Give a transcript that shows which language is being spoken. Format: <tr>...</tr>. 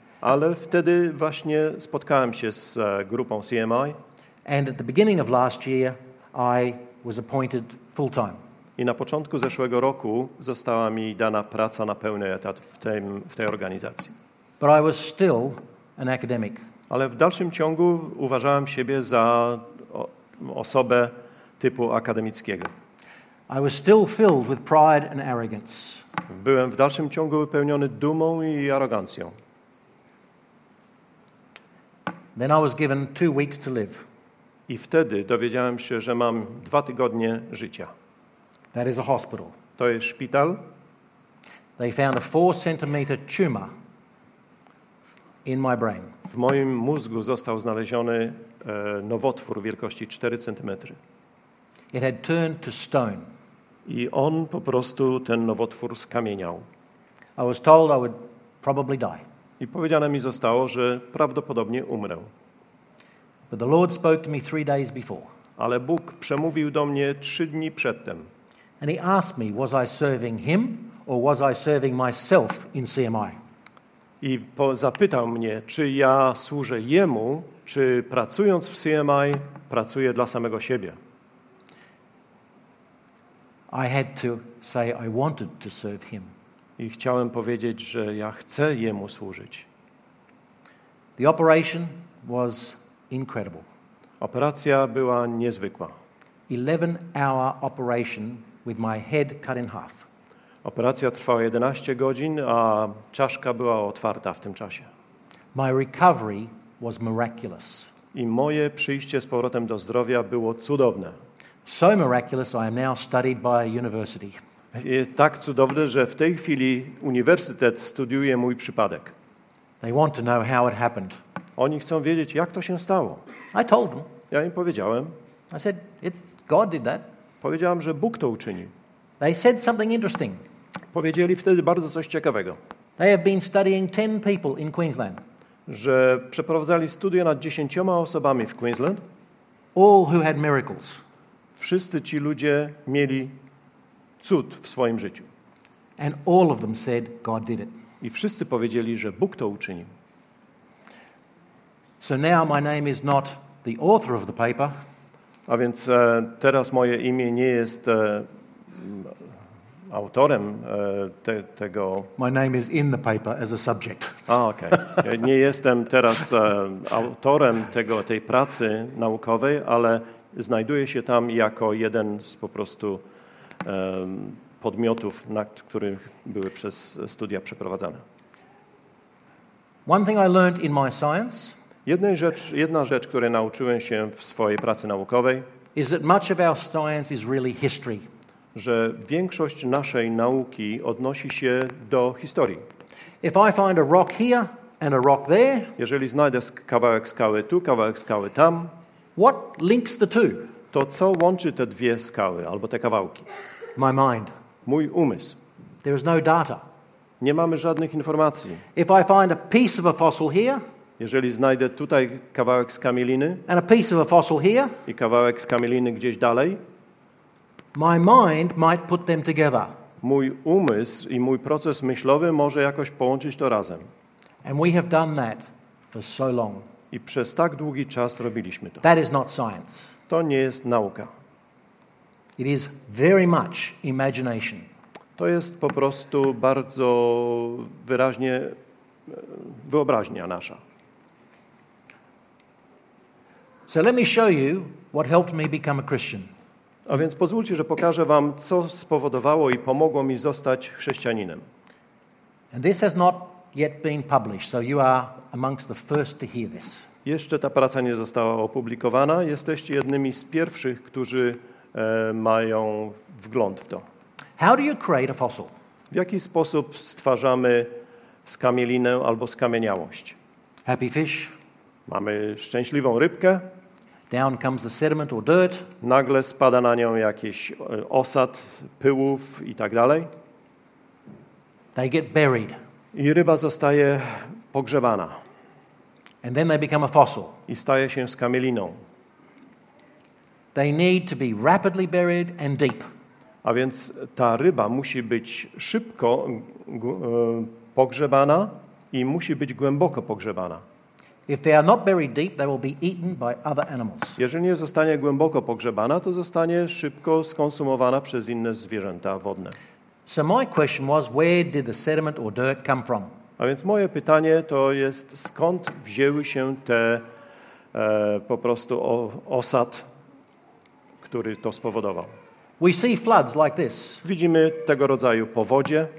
<pl>Ale wtedy właśnie spotkałem się z grupą CMI.</pl> <en>And at the beginning of last year I was appointed full time.</en> <pl>I na początku zeszłego roku została mi dana praca na pełny etat w tej organizacji.</pl> <en>But I was still an academic.</en> <pl>Ale w dalszym ciągu uważałem siebie za osobę typu akademickiego.</pl> <en>I was still filled with pride and arrogance.</en> <pl>Byłem w dalszym ciągu wypełniony dumą i arogancją.</pl> <en>Then I was given 2 weeks to live.</en> <pl>I wtedy dowiedziałem się, że mam 2 tygodnie życia.</pl> <en>That is a hospital.</en> <pl>To jest szpital.</pl> <en>They found a 4-centimeter tumor in my brain.</en> <pl>W moim mózgu został znaleziony nowotwór wielkości 4 centymetry.</pl> <en>It had turned to stone.</en> <pl>I on po prostu ten nowotwór skamieniał.</pl> <en>I was told I would probably die.</en> <pl>I powiedziane mi zostało, że prawdopodobnie umrę.</pl> <en>But the Lord spoke to me 3 days before.</en> <pl>Ale Bóg przemówił do mnie 3 dni przedtem.</pl> <en>And he asked me, was I serving him or was I serving myself in CMI?</en> <pl>I zapytał mnie, czy ja służę jemu, czy pracując w CMI, pracuję dla samego siebie.</pl> <en>I had to say I wanted to serve him.</en> <pl>I chciałem powiedzieć, że ja chcę jemu służyć.</pl> <en>The operation was incredible.</en> <pl>Operacja była niezwykła.</pl> <en>11-hour operation with my head cut in half.</en> <pl>Operacja trwała 11 godzin, a czaszka była otwarta w tym czasie.</pl> <en>My recovery was miraculous.</en> <pl>I moje przyjście z powrotem do zdrowia było cudowne.</pl> <en>So miraculous, I am now studied by a university.</en> <pl>I tak cudowne, że w tej chwili uniwersytet studiuje mój przypadek.</pl> <en>They want to know how it happened.</en> <pl>Oni chcą wiedzieć, jak to się stało.</pl> <en>I told them.</en> <pl>Ja im powiedziałem.</pl> <en>I said, God did that.</en> <pl>Powiedziałem, że Bóg to uczynił.</pl> <en>They said something interesting.</en> <pl>Powiedzieli wtedy bardzo coś ciekawego.</pl> <en>They have been studying 10 people in Queensland.</en> <pl>Że przeprowadzali studia nad 10 osobami w Queensland.</pl> <en>All who had miracles.</en> <pl>Wszyscy ci ludzie mieli cud w swoim życiu.</pl> <en>And all of them said God did it.</en> <pl>I wszyscy powiedzieli, że Bóg to uczynił.</pl> <en>So now my name is not the author of the paper.</en> <pl>A więc teraz moje imię nie jest autorem tego.</pl> <en>My name is in the paper as a subject. Okay.</en> <pl>Nie jestem teraz autorem tej pracy naukowej, ale znajduję się tam jako jeden z po prostu podmiotów, na których były przez studia przeprowadzane.</pl> <en>One thing I learned in my science.</en> <pl>Jedna rzecz, której nauczyłem się w swojej pracy naukowej,</pl> <en>is that much of our science is really history.</en> <pl>Że większość naszej nauki odnosi się do historii.</pl> <en>If I find a rock here and a rock there,</en> <pl>jeżeli znajdę kawałek skały tu, kawałek skały tam,</pl> <en>what links the two?</en> <pl>To co łączy te dwie skały albo te kawałki?</pl> <en>My mind.</en> <pl>Mój umysł.</pl> <en>There is no data.</en> <pl>Nie mamy żadnych informacji.</pl> <en>If I find a piece of a fossil here,</en> <pl>jeżeli znajdę tutaj kawałek skamieliny,</pl> <en>and a piece of a fossil here,</en> <pl>i kawałek skamieliny gdzieś dalej,</pl> <en>my mind might put them together.</en> <pl>Mój umysł i mój proces myślowy może jakoś połączyć to razem.</pl> <en>And we have done that for so long.</en> <pl>I przez tak długi czas robiliśmy to.</pl> <en>That is not science.</en> <pl>To nie jest nauka.</pl> <en>It is very much imagination.</en> <pl>To jest po prostu bardzo wyraźnie wyobraźnia nasza.</pl> <en>So let me show you what helped me become a Christian.</en> <pl>A więc pozwólcie, że pokażę wam, co spowodowało i pomogło mi zostać chrześcijaninem.</pl> <en>And this has not yet been published, so you are amongst the first to hear this.</en> <pl>Jeszcze ta praca nie została opublikowana. Jesteście jednymi z pierwszych, którzy mają wgląd w to.</pl> <en>How do you create a fossil?</en> <pl>W jaki sposób stwarzamy skamielinę albo skamieniałość?</pl> <en>Happy fish.</en> <pl>Mamy szczęśliwą rybkę.</pl> <en>Down comes the sediment or dirt.</en> <pl>Nagle spada na nią jakiś osad pyłów i tak dalej.</pl> <en>They get buried.</en> <pl>I ryba zostaje pogrzebana.</pl> <en>And then they become a fossil.</en> <pl>I staje się skamieliną.</pl> <en>They need to be rapidly buried and deep.</en> <pl>A więc ta ryba musi być szybko pogrzebana i musi być głęboko pogrzebana.</pl> <en>If they are not buried deep, they will be eaten by other animals.</en> <pl>Jeżeli nie zostanie głęboko pogrzebana, to zostanie szybko skonsumowana przez inne zwierzęta wodne.</pl> <en>So my question was, where did the sediment or dirt come from?</en> <pl>A więc moje pytanie to jest, skąd wzięły się te po prostu osad, który to spowodował?</pl> <en>We see floods like this.</en> <pl>Widzimy tego rodzaju powodzie.</pl>